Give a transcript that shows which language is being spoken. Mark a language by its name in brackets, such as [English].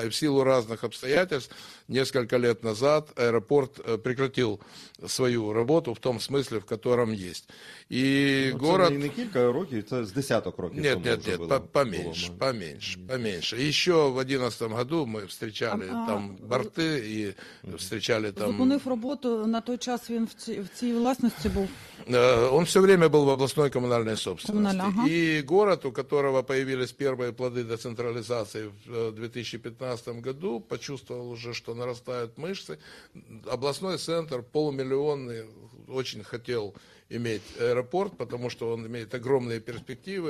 [Russian] И в силу разных обстоятельств несколько лет назад аэропорт прекратил свою работу в том смысле, в котором есть. И это город... не несколько років, это с десяток років. Нет, нет, нет, поменьше. Еще в 2011 году мы встречали там борти [Ukrainian] і зустрічали там. Зупинив роботу, на той час він в цій власності був? [Russian] Он все время был в областной коммунальной собственности. Ага. И город, у которого появились первые плоды децентрализации в 2015 году, почувствовал уже, что нарастают мышцы. Областной центр полумиллионный очень хотел иметь аэропорт, потому что он имеет огромные перспективы.